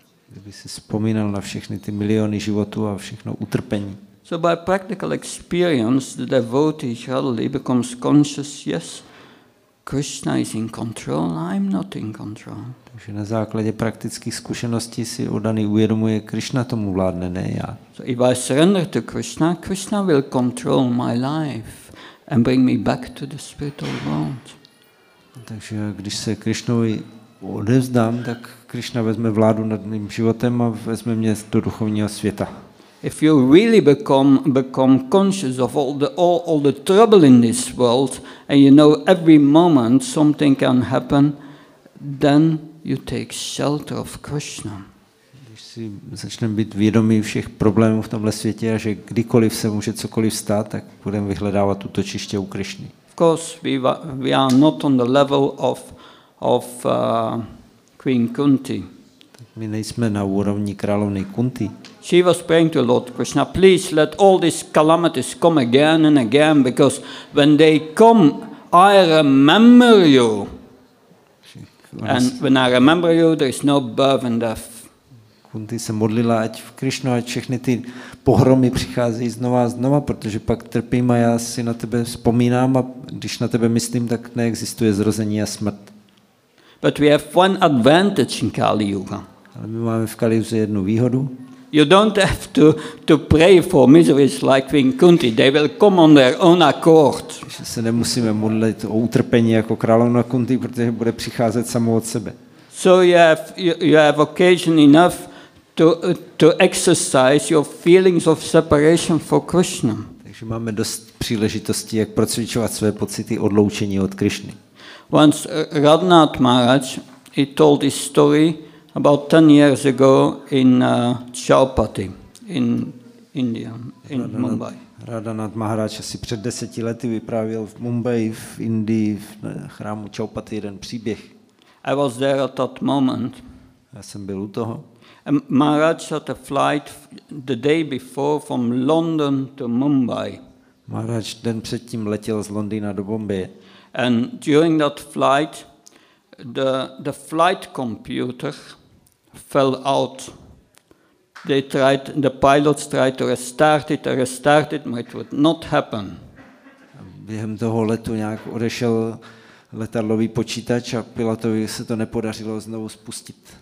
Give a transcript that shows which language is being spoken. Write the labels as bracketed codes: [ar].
[cs] Kdyby si vzpomínal na všechny ty miliony životů a všechno utrpení. [en] So by practical experience the devotee suddenly becomes conscious, yes, Krishna is in control, I'm not in control. [cs] Takže na základě praktických zkušeností si udaný uvědomuje, Krishna tomu vládne, ne já. [en] So if I surrender to Krishna, Krishna will control my life and bring me back to the spiritual world. [cs] Takže když se Krishnovi odevzdám, tak Krishna vezme vládu nad mým životem a vezme mě do duchovního světa. [en] If you really become conscious of all the trouble in this world and you know every moment something can happen, then you take shelter of Krishna. [cs] Když si začneme být vědomí všech problémů v tomhle světě a že kdykoliv se může cokoliv stát, tak budeme vyhledávat útočiště u Krishny. [en] Of course we are not on the level of Queen Kunti. [cs] My nejsme na úrovni královny Kunti. [en] She was praying to Lord Krishna, please let all these calamities come again and again, because when they come, I remember you. And when I remember you, there is no birth and death. [cs] Kunti se modlila, ať v Krishnu, ať všechny ty pohromy přicházejí znova a znova, protože pak trpím a já si na tebe vzpomínám a když na tebe myslím, tak neexistuje zrození a smrt. [en] But we have one advantage in Kali Yuga. [cs] Ale my máme v Kaliuze jednu výhodu. [en] You don't have to pray for miseries like Queen Kunti. They will come on their own accord. [cs] Se nemusíme modlit o utrpení jako královna Kunti, protože bude přicházet samo od sebe. [en] So you have occasion enough to exercise your feelings of separation for Krishna. [cs] Takže máme dost příležitostí, jak procvičovat své pocity odloučení od Krishny. [en] Once Radhanath Maharaj, he told this story about 10 years ago in Chaupati in India, in Mumbai. [cs] Radhanath Maharaj asi před 10 lety vyprávěl v Mumbai, v Indii, v chrámu Chaupati jeden příběh. [en] I was there at that moment. [cs] Já jsem byl u toho. [en] And Maharaj had a flight the day before from London to Mumbai. [cs] Maharaj den předtím letěl z Londýna do Bombaje. [en] And during that flight, the flight computer fell out. The pilots tried to restart it, but it would not happen. [cs] Během toho letu nějak odešel letadlový počítač a pilotovi se to nepodařilo znovu spustit.